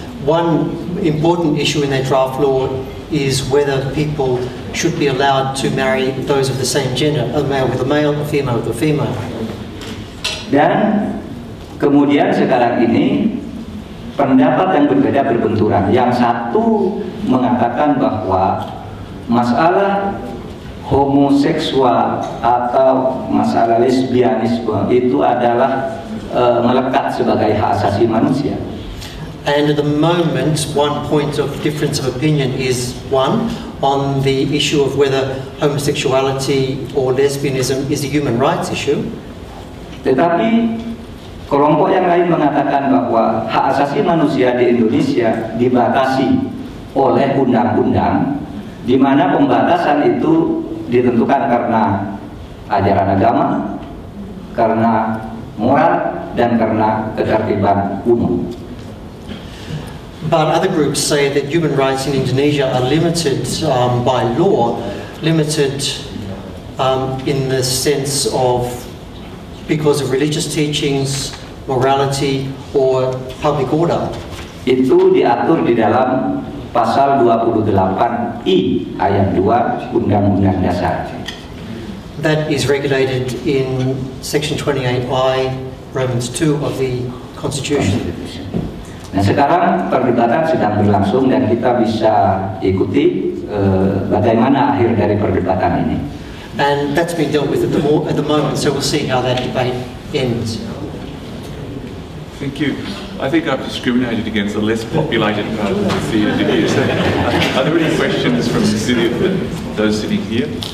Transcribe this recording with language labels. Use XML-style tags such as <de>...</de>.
<en>One important issue in that draft law is whether people should be allowed to marry those of the same gender, a male with a male, a female with a female.</en> <id>Dan kemudian sekarang ini pendapat yang berbeda berbenturan. Yang satu mengatakan bahwa masalah homoseksual atau masalah lesbianisme itu adalah melekat sebagai hak asasi manusia.</id> <en>And at the moment, one point of difference of opinion is one on the issue of whether homosexuality or lesbianism is a human rights issue.</en> <id>Tetapi kelompok yang lain mengatakan bahwa hak asasi manusia di Indonesia dibatasi oleh undang-undang, di mana pembatasan itu ditentukan karena ajaran agama, karena moral, dan karena ketertiban umum.</id> <en>But other groups say that human rights in Indonesia are limited by law, limited in the sense of because of religious teachings, morality, or public order.</en> <id>Itu diatur di dalam pasal 28I ayat 2 Undang-Undang Dasar.</id> <en>That is regulated in section 28I, Romans 2 of the Constitution.</en> <id>Nah, sekarang perdebatan sedang berlangsung dan kita bisa ikuti bagaimana akhir dari perdebatan ini.</id> <en>And that's been dealt with at the moment, so we'll see how that debate ends. Thank you. I think I've discriminated against the less populated part of the city of Indonesia. So, are there any questions from the city of those sitting here?</en>